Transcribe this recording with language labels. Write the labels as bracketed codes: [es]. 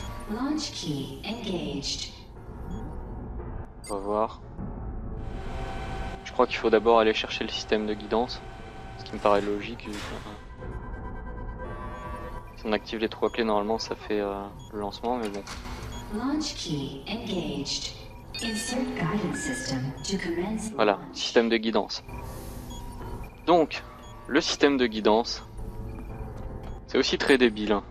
[en] Launch key engaged. [fr] On va voir. Je crois qu'il faut d'abord aller chercher le système de guidance, ce qui me paraît logique. Si on active les trois clés, normalement ça fait le lancement, mais bon. [en] Launch key engaged. Insert guidance system to commence. [fr] Voilà, système de guidance. Donc, le système de guidance, c'est aussi très débile, hein.